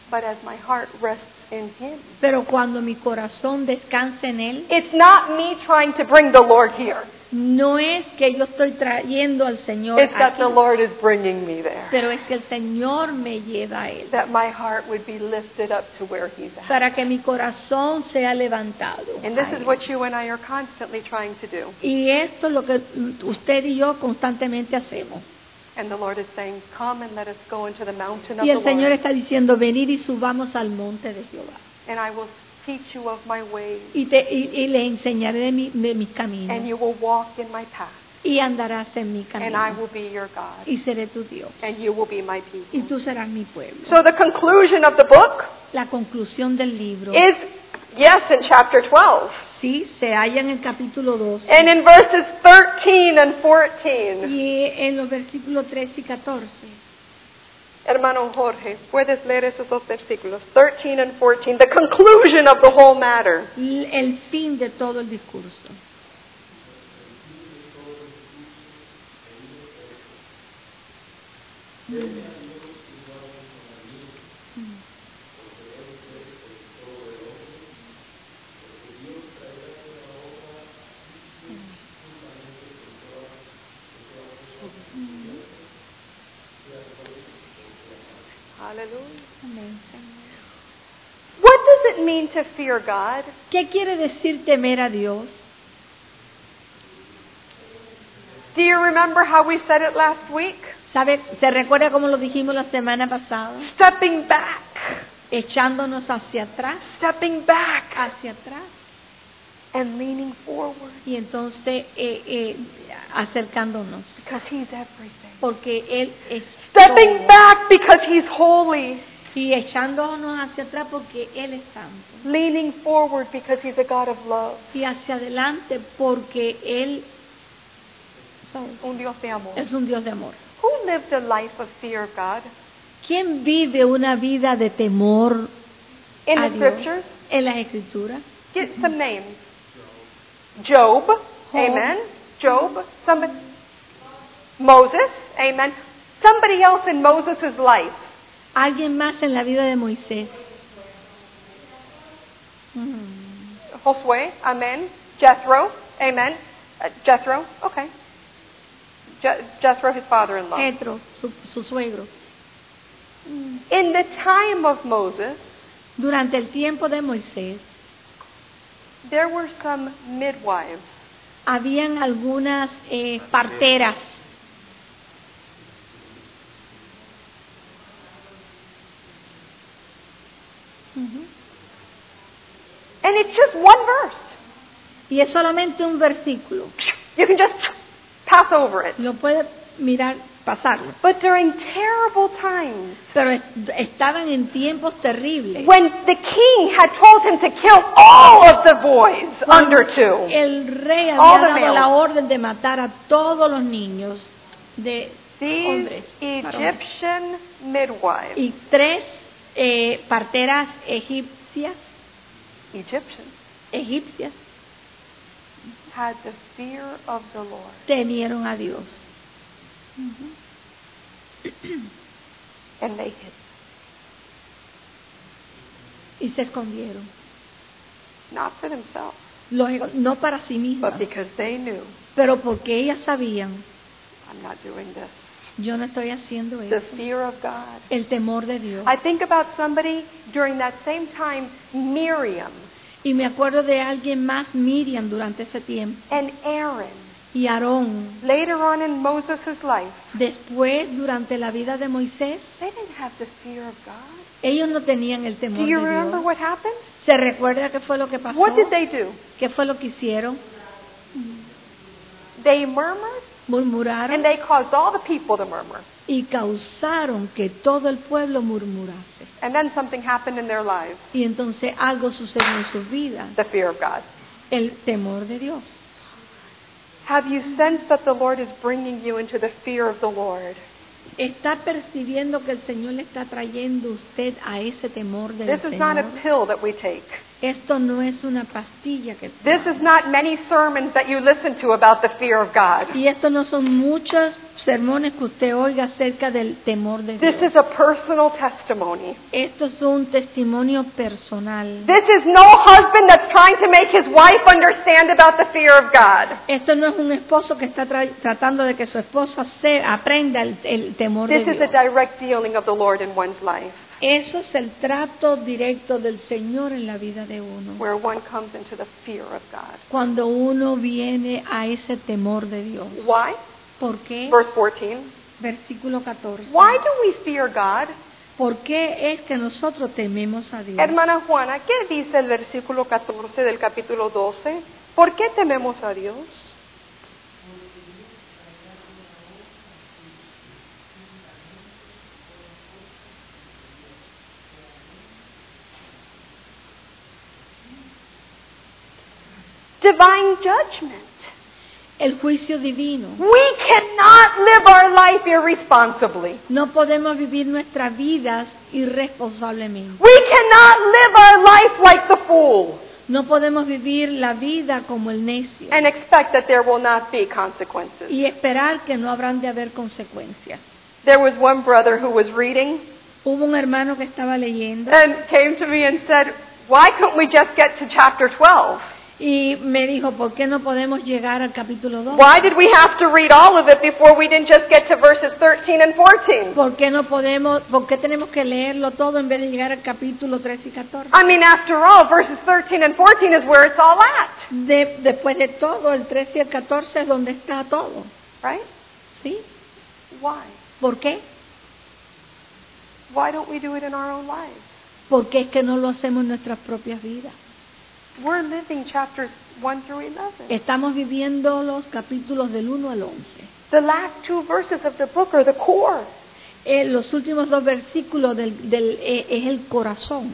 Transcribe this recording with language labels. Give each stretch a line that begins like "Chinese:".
English: But as my heart rests in Him,
Spanish: pero cuando mi corazón descansa en Él,
English: it's not me trying to bring the Lord here.
Spanish: No es que yo estoy trayendo al Señor
English: it's
Spanish: aquí,
English: that the Lord is bringing me there.
Spanish: Pero es que el Señor me lleva a Él.
English: That my heart would be lifted up to where He's at.
Spanish: Para que mi corazón sea levantado.
English: And this is what you and I are constantly trying to do.
Spanish: Y esto es lo que usted y yo constantemente hacemos.
English: And the Lord is saying, come and let us go into the mountain of the Lord.
Spanish: Y el Señor está diciendo, venid y subamos al monte de Jehová.
English: And I will teach you of my ways.
Spanish: Y le enseñaré de mi camino.
English: And you will walk in my path.
Spanish: Y andarás en mi camino.
English: And I will be your God.
Spanish: Y seré tu Dios.
English: And you will be my people.
Spanish: Y tú serás mi pueblo.
English: So the conclusion of the book,
Spanish: la conclusión del libro,
English: is yes in chapter 12.
Spanish: Sí, se halla en el capítulo 12.
English: And in verses 13 and 14.
Spanish: Y en los versículos 13 y 14. Hermano Jorge, puedes leer esos dos versículos,
English: 13 and 14, the conclusion of the whole matter.
Spanish: El fin de todo el discurso.
English: Hallelujah. What does it mean to fear God?
Spanish: ¿Qué quiere decir temer a Dios?
English: Do you remember how we said it last week?
Spanish: ¿Sabe, se recuerda cómo lo dijimos la semana pasada?
English: Stepping back.
Spanish: Echándonos hacia atrás.
English: Stepping back.
Spanish: Hacia atrás.
English: And leaning forward.
Spanish: Y entonces acercándonos.
English: Because He's everything.
Spanish: Porque Él es.
English: Stepping back because He's holy.
Spanish: Y echándonos hacia atrás porque Él es santo.
English: Leaning forward because He's a God of love.
Spanish: Y hacia adelante porque Él es un Dios de amor. Es un Dios de amor.
English: Who lived a life of fear of God?
Spanish: ¿Quién vive una vida de temor
English: in a the
Spanish: Dios?
English: Scriptures?
Spanish: En las Escrituras.
English: Get some names. Job. Amen. Job. Somebody. Moses. Amen. Somebody else in Moses' life.
Spanish: Alguien más en la vida de Moisés.
English: Josué, amen. Jethro, amen. Jethro, okay. Jethro, his father-in-law.
Spanish: Jethro, su suegro.
English: In the time of Moses,
Spanish: durante el tiempo de Moisés,
English: there were some midwives.
Spanish: Habían algunas parteras.
English: And it's just one verse.
Spanish: Y es solamente un versículo.
English: You can just pass over it.
Spanish: Lo puede mirar, pasarlo.
English: But during terrible times,
Spanish: pero estaban en tiempos terribles.
English: When the king had told him to kill all of the boys under two,
Spanish: el rey había dado la orden de matar a todos los niños de hombres.
English: Egyptian midwives.
Spanish: Y tres parteras egipcias.
English: Egyptian.
Spanish: Egipcias.
English: Had the fear of the Lord.
Spanish: Temieron a Dios.
English: Mm-hmm. And they hid.
Spanish: Y se escondieron.
English: Not for themselves.
Spanish: No para sí mismas.
English: But because they knew.
Spanish: Pero porque ellas sabían.
English: I'm not doing this.
Spanish: Yo no estoy haciendo eso.
English: The fear of God.
Spanish: El temor de Dios.
English: I think about somebody during that same time, Miriam.
Spanish: Y me acuerdo de alguien más, Miriam, durante ese tiempo.
English: And Aaron.
Spanish: Y Aarón.
English: Later on in Moses' life.
Spanish: Después, durante la vida de Moisés.
English: They didn't have the fear of God.
Spanish: Ellos no tenían el temor de Dios.
English: Do you remember what happened?
Spanish: ¿Se recuerda qué fue lo que pasó?
English: What did they do?
Spanish: ¿Qué fue lo que hicieron?
English: They murmured.
Spanish: Murmuraron,
English: and they caused all the people to murmur.
Spanish: Y causaron que todo el pueblo murmurase.
English: And then something happened in their lives.
Spanish: Y entonces algo sucedió en su vida.
English: The fear of God.
Spanish: El temor de Dios.
English: Have you sensed that the Lord is bringing you into the fear of the Lord?
Spanish: ¿Está percibiendo que el Señor le está trayendo usted a ese temor del
English: Señor? This is not a pill that we take.
Spanish: Esto no es una pastilla que tomamos.
English: This is not many sermons that you listen to about the fear of God.
Spanish: Y esto no son muchos sermones que usted oiga acerca del temor de Dios.
English: This is a personal testimony.
Spanish: Esto es un testimonio personal.
English: This is no husband that's trying to make his wife understand about the fear of God.
Spanish: Esto no es un esposo que está tratando de que su esposa aprenda el temor de Dios.
English: This is a direct dealing of the Lord in one's life.
Spanish: Eso es el trato directo del Señor en la vida de uno.
English: Where one comes into the fear of God.
Spanish: Cuando uno viene a ese temor de Dios.
English: Why?
Spanish: ¿Por qué?
English: Verse 14.
Spanish: Versículo 14.
English: Why do we fear God?
Spanish: ¿Por qué es que nosotros tememos a Dios? Hermana Juana, ¿qué dice el versículo 14 del capítulo 12? ¿Por qué tememos a Dios?
English: Divine judgment.
Spanish: El juicio divino.
English: We cannot live our life irresponsibly.
Spanish: No podemos vivir nuestras vidas irresponsablemente.
English: We cannot live our life like the fool.
Spanish: No podemos vivir la vida como el necio.
English: And expect that there will not be consequences.
Spanish: Y esperar que no habrán de haber consecuencias.
English: There was one brother who was reading.
Spanish: Hubo un hermano que estaba leyendo.
English: And came to me and said, "Why couldn't we just get to chapter 12?"
Spanish: Y me dijo, ¿por qué no podemos llegar al capítulo 12?
English: Why did we have to read all of it before we didn't just get to verses 13 and 14?
Spanish: Por qué tenemos que leerlo todo en vez de llegar al capítulo 13 y 14?
English: I mean, after all, verses 13 and 14 is where it's all at.
Spanish: Después de todo, el 13 y el 14 es donde está todo.
English: Right?
Spanish: ¿Sí?
English: Why?
Spanish: ¿Por qué?
English: Why don't we do it in our own lives?
Spanish: ¿Por qué es que no lo hacemos en nuestras propias vidas?
English: We're living chapters 1 through 11.
Spanish: Estamos viviendo los capítulos del 1 al 11.
English: The last two verses of the book are the core.
Spanish: Los últimos dos versículos es el corazón.